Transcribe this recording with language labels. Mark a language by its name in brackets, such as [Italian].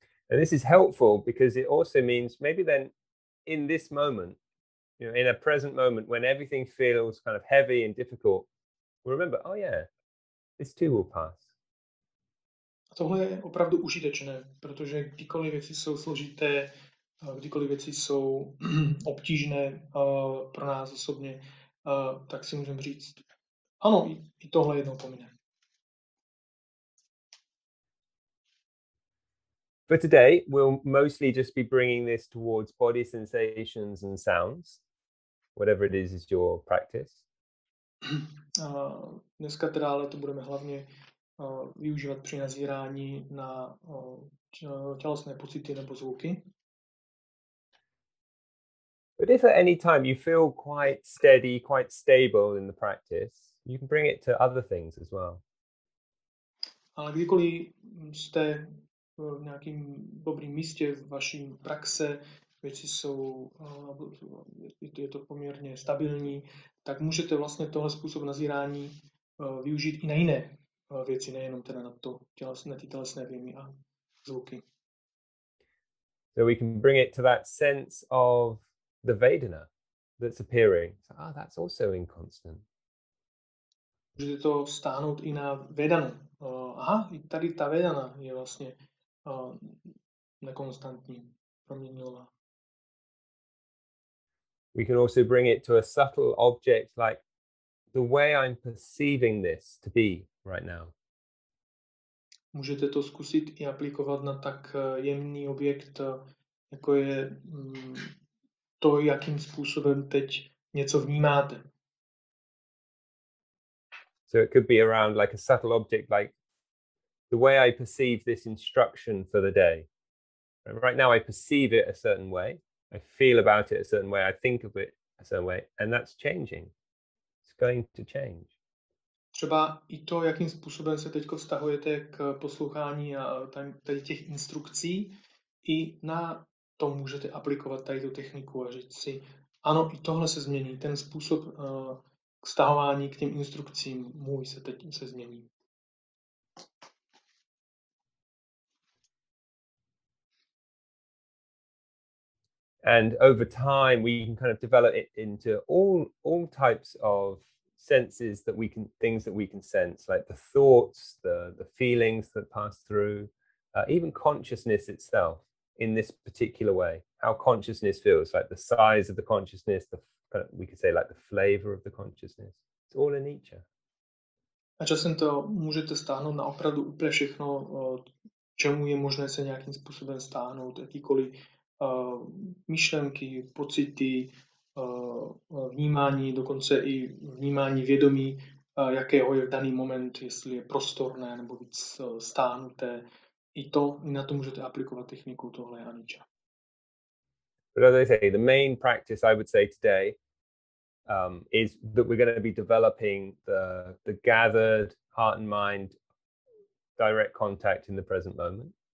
[English] And this is helpful because it also means maybe then in this moment, you know, in a present moment when everything feels kind of heavy and difficult, we remember, oh yeah, this too will pass. [Czech] A tohle je opravdu užitečné, protože kdykoliv věci jsou složité, kdykoliv věci jsou obtížné pro nás osobně, tak si můžeme říct, ano, i tohle jednou pomine. [English] For today, we'll mostly just be bringing this towards body sensations and sounds, whatever it is your practice. [Czech] Dneska teda ale to budeme hlavně využívat při nazírání na tělesné pocity nebo zvuky. [English] But if at any time you feel quite steady, quite stable in the practice, you can bring it to other things as well. [Czech] Ale kdykoliv jste v nějakém dobrém místě v vaší praxe, věci jsou, je to poměrně stabilní, tak můžete vlastně tohle způsob nazírání využít i na jiné věci, nejenom teda na to tělesné, ty tělesné vnímy a zvuky. [English] So we can bring it to that sense of the Vedana that's appearing. So, ah, that's also inconstant. [Czech] Můžete to stáhnout i na Vedanu. Aha, i tady ta Vedana je vlastně nekonstantní, proměnlivá. [English] We can also bring it to a subtle object like the way I'm perceiving this to be right now. [Czech] Můžete to zkusit i aplikovat na tak jemný objekt, jako je to, jakým způsobem teď něco vnímáte. [English] So it could be around like a subtle object, like the way I perceive this instruction for the day. Right now I perceive it a certain way. I feel about it a certain way. I think of it a certain way. And that's changing. It's going to change. [Czech] Třeba i to, jakým způsobem se teď vztahujete k poslouchání a tady těch instrukcí, i na to můžete aplikovat tady tu techniku a říct si, ano, i tohle se změní, ten způsob vztahování k těm instrukcím můj se teď se změní. [English] And over time we can kind of develop it into all types of senses that we can, things that we can sense, like the thoughts, the feelings that pass through, even consciousness itself in this particular way, how consciousness feels, like the size of the consciousness, the kind of, we could say like the flavor of the consciousness. It's all in nature. [Czech] A časem to můžete stáhnout na opravdu úplně všechno, čemu je možné se nějakým způsobem stáhnout, jakýkoliv myšlenky, pocity, vnímání, dokonce i vnímání vědomí, jakého je v daný moment, jestli je prostorné nebo víc stáhnuté. I to, i na to můžete aplikovat techniku tohle Anicca. [English] But as I say, the main practice I would say today is that we're going to be developing the gathered heart and mind direct contact in the present moment.